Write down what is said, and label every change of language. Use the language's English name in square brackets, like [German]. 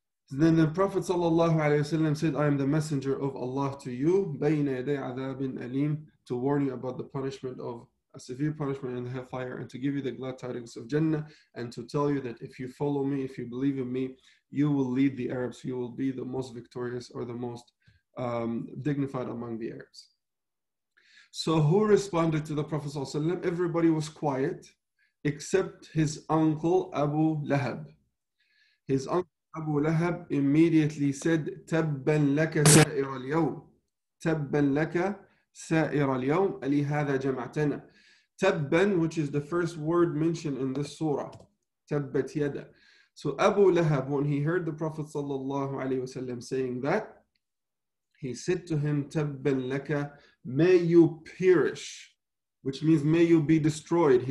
[English] Then the Prophet sallallahu alayhi wa sallam said, I am the messenger of Allah to you, [Arabic] بَيْنَ يَدَيْ عَذَابٍ أَلِيمٍ, [English] to warn you about the punishment of a severe punishment in the hellfire, and to give you the glad tidings of Jannah, and to tell you that if you follow me, if you believe in me, you will lead the Arabs, you will be the most victorious or the most dignified among the Arabs. So who responded to the Prophet sallallahu alayhi wa sallam? Everybody was quiet, except his uncle Abu Lahab. His uncle Abu Lahab immediately said, [Arabic] تَبَّنْ لَكَ سَائِرَ الْيَوْمِ, تَبَّنْ لَكَ سَائِرَ الْيَوْمِ أَلِي هَذَا جَمَعْتَنَا. تَبَّنْ, [English] which is the first word mentioned in this surah, [Arabic] تَبَّتْ يَدَ. [English] So Abu Lahab, when he heard the Prophet sallallahu alayhi wasallam saying that, he said to him, [Arabic] تَبَّنْ لَكَ, [English] may you perish, which means may you be destroyed.